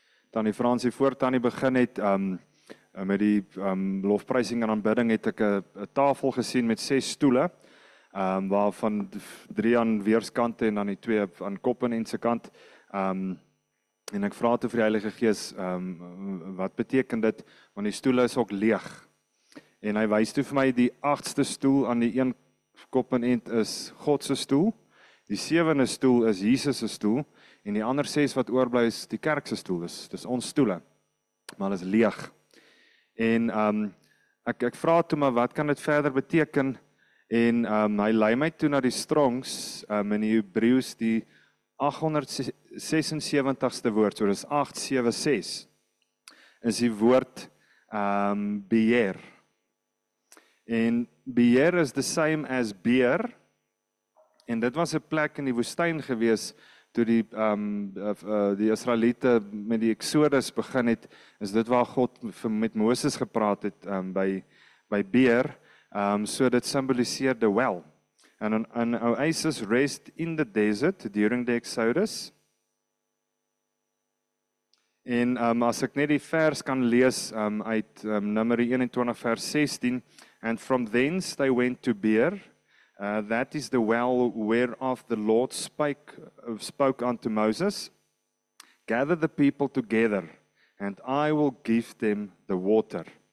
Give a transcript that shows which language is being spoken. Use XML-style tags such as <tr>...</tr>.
<af>Tannie Fransie, voor Tannie begin het met die lofprysing en aanbidding, het ek 'n tafel gesien met 6 stoele, waarvan 3 aan weerskante en dan die 2 aan kop en se kant. En ek vra toe vir die Heilige Gees, wat beteken dit? Want die stoele is ook leeg. En hy wys toe vir my die 8ste stoel aan die een kop en end is God se stoel. Die 7de stoel is Jesus se stoel. En die ander 6 wat oorbly is die kerk se stoel. Dis ons stoele. Maar dit is leeg. En ek vra toe maar wat kan dit verder beteken? En hy lei my toe na die Strongs in die Hebreëus die 876ste woord. So dis 876. Is die woord beer.</af> <en>En beer is the same as beer.</en> <af>En dit was 'n plek in die woestyn gewees toe die Israeliete met die Exodus begin het, is dit waar God met Moses gepraat het by beer. So dit simboliseer</af> <en>the well. And an oasis rest in the desert during the Exodus.</en> <af>En as ek net die vers kan lees uit Numeri 21 vers 16,</af> <en>and from thence they went to Beer, that is the well whereof the Lord spoke unto Moses, gather the people together, and I will give them the water.</en>